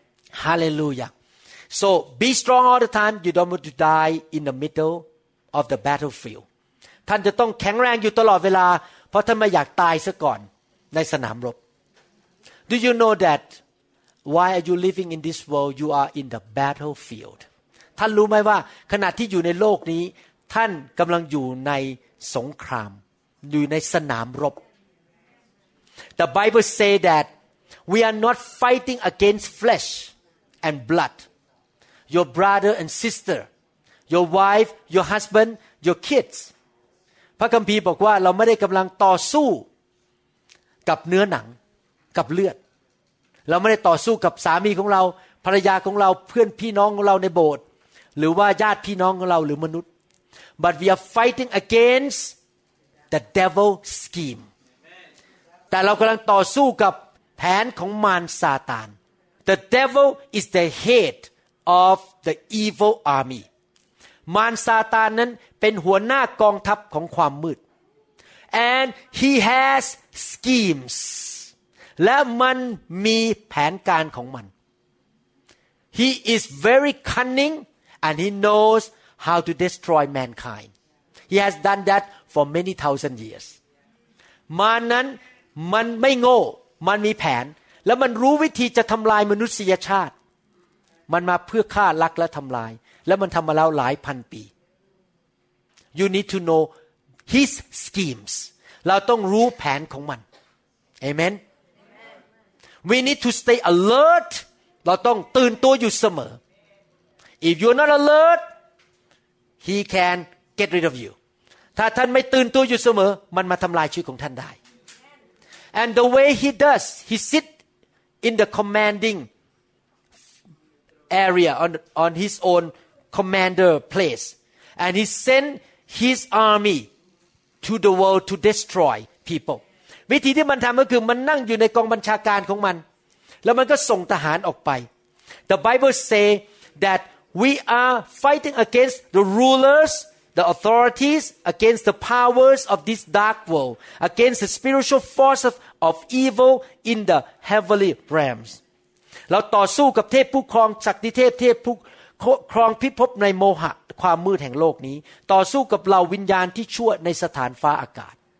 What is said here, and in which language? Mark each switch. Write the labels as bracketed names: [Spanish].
[English] Hallelujah. So be strong all the time. You don't want to die in the middle of the battlefield. [Thai] ท่านจะต้องแข็งแรงอยู่ตลอดเวลาเพราะท่านไม่อยากตายซะก่อนในสนามรบ [English] Do you know that why are you living in this world? You are in the battlefield. [Thai] ท่านรู้ไหมว่าขณะที่อยู่ในโลกนี้ท่านกำลังอยู่ในสงครามอยู่ในสนามรบ [English] The Bible say that we are not fighting against flesh and blood your brother and sister your wife your husband your kids [Thai] พระคัมภีร์บอกว่าเราไม่ได้กำลังต่อสู้กับเนื้อหนังกับเลือดเราไม่ได้ต่อสู้กับสามีของเราภรรยาของเราเพื่อนพี่น้องของเราในโบสถ์หรือว่าญาติพี่น้องของเราหรือมนุษย์ [English] but we are fighting against the devil scheme [Thai] แต่เรากำลังต่อสู้กับแผนของมารซาตาน [English] the devil is the head of the evil army [Thai] มารซาตานนั้นเป็นหัวหน้ากองทัพของความมืด [English] and he has schemes [Thai] และมันมีแผนการของมัน [English] he is very cunningAnd he knows how to destroy mankind. He has done that for many thousand years. [Thai] มารนั้นมันไม่โง่มันมีแผนและมันรู้วิธีจะทำลายมนุษยชาติมันมาเพื่อฆ่าลักและทำลายและมันทำมาแล้วหลายพันปี [English] You need to know his schemes. [Thai] เราต้องรู้แผนของมัน Amen. [English] We need to stay alert. [Thai] เราต้องตื่นตัวอยู่เสมอ [English] If you're not alert, he can get rid of you. [Thai] ถ้าท่านไม่ตื่นตัวอยู่เสมอมันมาทำลายชีวิตของท่านได้ [English] And the way he does, he sits in the commanding area on his own commander place, and he sent his army to the world to destroy people. [Thai] วิธีที่มันทำก็คือมันนั่งอยู่ในกองบัญชาการของมันแล้วมันก็ส่งทหารออกไป [English] The Bible say thatWe are fighting against the rulers, the authorities, against the powers of this dark world, against the spiritual force of evil in the heavenly realms. [Thai] เราต่อสู้กับเทพผู้ครองศักดิ์เทพเทพผู้ครองพิภพในโมหะความมืดแห่งโลกนี้ต่อสู้กับเหล่าวิญญาณที่ชั่วในสถานฟ้าอากาศ